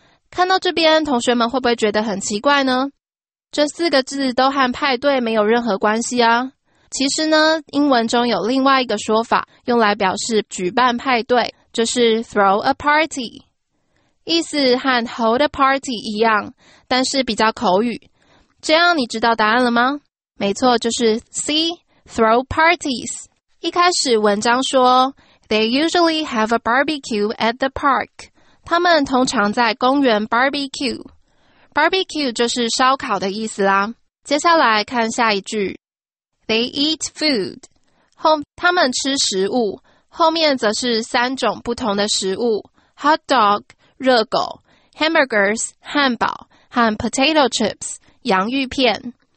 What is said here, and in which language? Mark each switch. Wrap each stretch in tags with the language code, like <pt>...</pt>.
<zh>看到这边，同学们会不会觉得很奇怪呢？这四个字都和派对没有任何关系啊。其实呢，英文中有另外一个说法，用来表示举办派对，就是</zh> <en>throw a party，</en> <zh>意思和</zh> <en>hold a party</en> <zh>一样，但是比较口语。这样你知道答案了吗？没错，就是</zh> <en>C， throw parties。</en> <zh>一开始文章说</zh> <en>，They usually have a barbecue at the park。</en> <zh>他们通常在公园 barbecue。barbecue 就是烧烤的意思啦。</zh> <en>接下来看下一句。They eat food.</en> <zh>他们吃食物，后面则是三种不同的食物 ,hot dog, 热狗 ,hamburgers, 汉堡和 potato chips, 洋芋片。</zh>